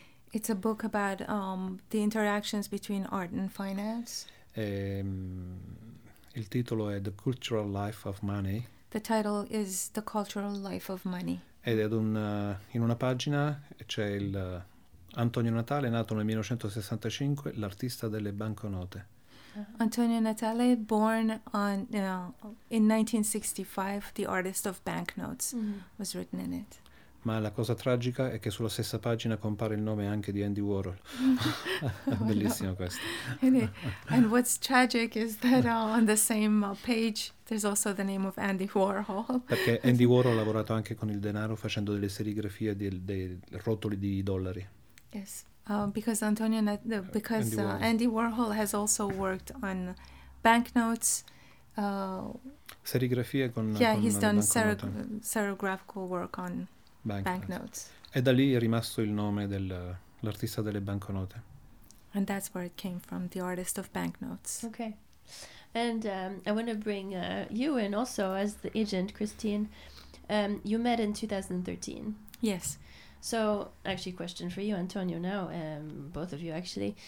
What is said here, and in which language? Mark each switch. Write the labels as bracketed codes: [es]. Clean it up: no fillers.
[en] It's a book about the interactions between art and finance. [it] Il titolo è The Cultural Life of Money. [en] The title is The Cultural Life of Money. [it] Ed è in una pagina c'è il Antonio Natale, nato nel 1965, l'artista delle banconote. [en] Antonio Natale, born in 1965, the artist of banknotes, was written in it. [it] Ma la cosa tragica è che sulla stessa pagina compare il nome anche di Andy Warhol. Bellissimo questo. [en] And what's tragic is that on the same page there's also the name of Andy Warhol. [it] Perché Andy Warhol ha lavorato anche con il denaro facendo delle serigrafie dei rotoli di dollari. [en] Yes. Andy Warhol has also worked on banknotes. [it] Serigrafie con [en] banknotes. Yeah, he's done serigraphical work on banknotes. [it] E da lì è rimasto il nome dell'artista delle banconote. [en] And that's where it came from, the artist of banknotes. Okay. And I want to bring you in also as the agent, Christine. You met in 2013. Yes. So, actually, question for you, Antonio, now, both of you, actually.